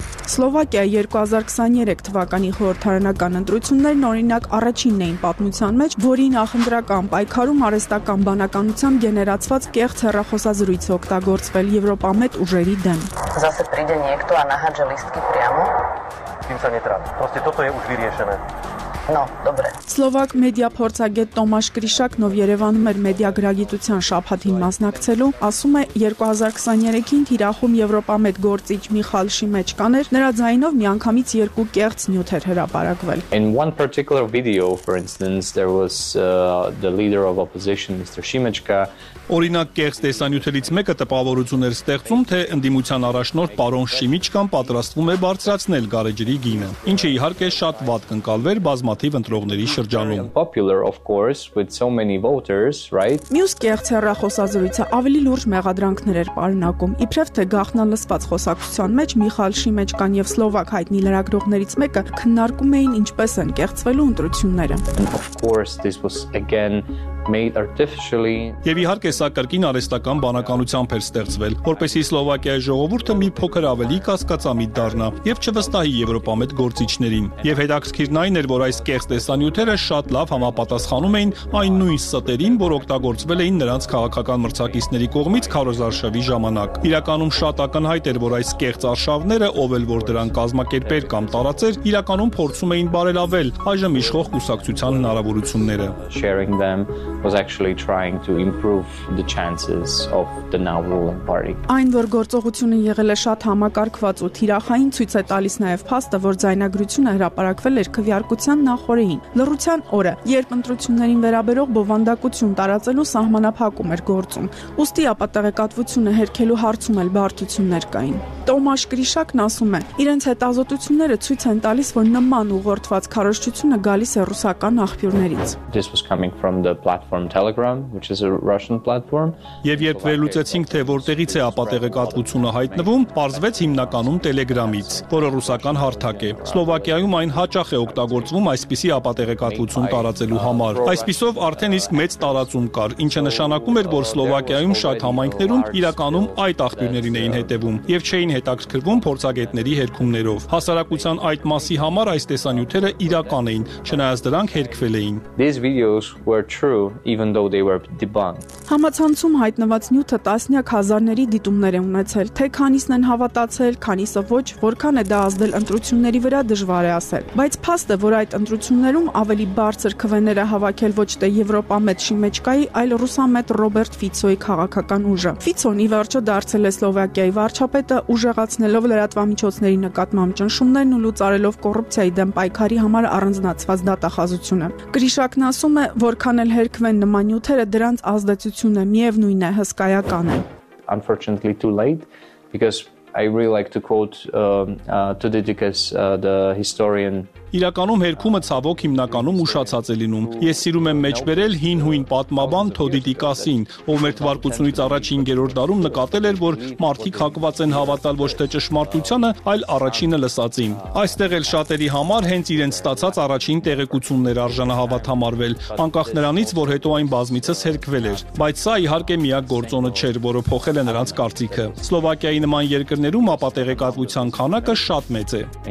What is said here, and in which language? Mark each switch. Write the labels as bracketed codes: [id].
[hy] Սլովակիա 2023 թվականի խորհրդարանական ընտրություններն օրինակ առաջինն էին պատմության մեջ, որի նախընտրական պայքարում արհեստական բանականությամբ գեներացված կեղծ հեռախոսազրույցը օգտագործվել Եվրոպամետ ուժերի դեմ։ Սլովակ մեդիափորձագետ Տոմաս Կրիշակն, ով Երևանում էր մեդիագրագիտության շաբաթին մասնակցելու, ասում է 2023-ին Թիրախում Եվրոպամետ գործիչ Միխալ Շիմեչկան էր, նրա ձայնով միանգամից երկու կեղծ նյութ էր հրապարակվել։ [en] In one particular video, for instance, there was the leader of opposition, Mr. Shimechka. [hy] Օրինակ կեղծ տեսանյութերից մեկը տպավորություն էր ստեղծում, թե ընդդիմության առաջնորդ պարոն Շիմիչկան պատրաստվում է բարձրացնել գարեջրի գինը, ինչը իհարկե շատ վատ կընկալվեր բազմաթիվ ընտրողների շրջանում։ Մյուս կեղծ հեռախոսազրույցը ավելի լուրջ մեղադրանքներ էր պարունակում, իբրև թե գաղտնալսված խոսակցության մեջ Միխալ Շիմեչկան և Սլովակ հայտնի լրագրողներից մեկը քննարկում էին ինչպես են կեղծվելու ընտրությունները։ [en] Made artificially. [hy] Եվ իհարկե սա կրկին արհեստական բանականությամբ էր ստեղծվել, որպեսզի Սլովակիայի ժողովուրդը մի փոքր ավելի կասկածամիտ դառնա եւ չվստահի Եվրոպամետ գործիչներին։ Եվ հետաքրքիրն այն էր, որ այս կեղծ տեսանյութերը շատ լավ համապատասխանում էին այն նույն ստերին, որ օգտագործվել էին նրանց քաղաքական մրցակիցների կողմից քարոզարշավի ժամանակ։ Իրականում շատ ակնհայտ էր, որ այս կեղծ արշավները, ով էլ որ դրան կազմակերպեր կամ տարածեր, իրականում փորձում էին բարելավել այժմ իշխող կուսակցության հնարավորությունները։ [en] Was actually trying to improve the chances of the now ruling party. [hy] Այն որ գործողությունը եղել է շատ համակարգված ու թիրախային, ցույց է տալիս նաև փաստը, որ ձայնագրությունը հրապարակվել էր քվեարկության նախորեին, լրության օրը, երբ ընտրություններին վերաբերող բովանդակություն տարածելու սահմանափակում էր գործում, ուստի ապատեղեկատվությունը հերքելու հարցում էլ բարդություններ կային։ Տոմաս Կրիշակն ասում է, իրենց հետազոտությունները ցույց են տալիս, որ նման ուղղորդված քարոշչությունը գալիս է ռուսական աղբյուրներից։ [en] This was coming from the platform Telegram, which is a Russian platform. [hy] Եվ երբ վերլուծեցինք, թե որտեղից է ապատեղեկատվությունը հայտնվում, պարզվեց հիմնականում Telegram-ից, որը ռուսական հարթակ է։ Սլովակիայում այն հաճախ է օգտագործվում այսպիսի ապատեղեկատվություն տարածելու համար։ Այսպիսով արդեն իսկ մեծ տարածում կար, ինչը նշանակում էր, որ Սլովակիայում շատ համայնքներում իրականում այդ աղբյուրներին էին հետևում եւ չէին հետաքրքրվում փորձագետների հերքումներով։ Հասարակության այդ մասի համար այս տեսանյութերը իրական էին, չնայած դրանք հերքվել էին։ [en] True, even though they were debunked. [hy] Համացանցում հայտնված նյութը տասնյակ հազարների դիտումներ է ունեցել, թե քանիսն են հավատացել, քանիսը ոչ, որքան է դա ազդել ընտրությունների վրա, դժվար է ասել, բայց փաստը, որ այդ ընտրություններում ավելի բարձր քվեներ է հավաքել ոչ թե Եվրոպամետ Շիմեչկայի, այլ ռուսամետ Ռոբերտ Ֆիցոյի քաղաքական ուժը։ Ֆիցոն ի վերջո դարձել է Սլովակիայի վարչապետը, ուժը ուժեղացնելով լրատվամիջոցների նկատմամբ ճնշումներն ու լուծարելով կոռուպցիայի դեմ պայքարի համար առանձնացված դատախազությունը։ Գրիշակն ասում է, որքան էլ հերքվեն նման նյութերը, դրանց ազդեցությունը միևնույն է հսկայական է։ [en] Unfortunately too late, because I really like to quote Thucydides, the historian. [hy] Իրականում հերքումը ցավոք հիմնականում ուշացած է լինում։ Ես սիրում եմ մեջբերել հին հույն պատմաբան Թոդիդիկասին, ով մեր թվարկությունից առաջ 5-րդ դարում նկատել էր, որ մարդիկ հակված են հավատալ ոչ թե ճշմարտությանը, այլ առաջինը լսածին։ Այստեղ էլ շատերի համար հենց իրենց ստացած առաջին տեղեկություններ արժանա հավատամարվել, անկախ նրանից, որ հետո այն բազմիցս հերքվել էր, բայց սա իհարկե միակ գործոնը չէր, որը փոխել է նրանց կարծիքը։ Սլովակիայի նման երկրներում ապա տեղեկատվության քանակը շատ մեծ է։